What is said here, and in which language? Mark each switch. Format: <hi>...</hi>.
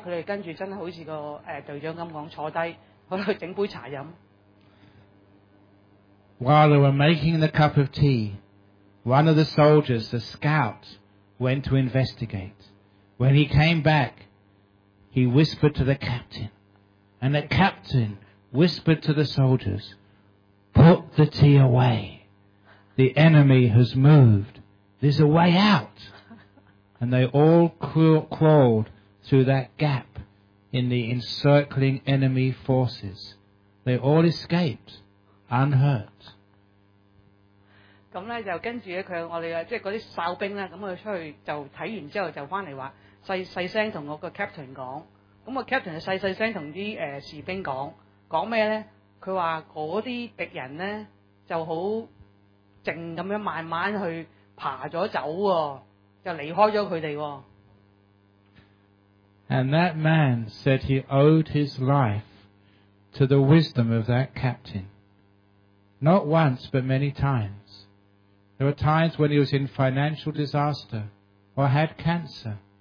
<yue>佢哋跟住真係好似個隊長咁講，坐低喺度整杯茶飲。</yue> <en>While they were making the cup of tea, one of the soldiers, the scout, went to investigate. When he came back, he whispered to the captain, and the captain whispered to the soldiers, "Put the tea away. The enemy has moved. There's a way out." And they all crawled through that gap in the encircling enemy forces. They all escaped unhurt.</en> <yue>咁咧就跟住咧，即係嗰啲哨兵咧，咁佢出去就睇完之後就翻嚟話，細聲同我個 captain 講。咁個 captain 就細聲同啲士兵講，講咩咧？佢話嗰啲敵人咧就好靜咁樣慢慢去爬咗走喎，就離開咗佢哋喎。</yue> <en>And that man said he owed his life to the wisdom of that captain. Not once, but many times. There were times when he was in financial disaster or had cancer.</en>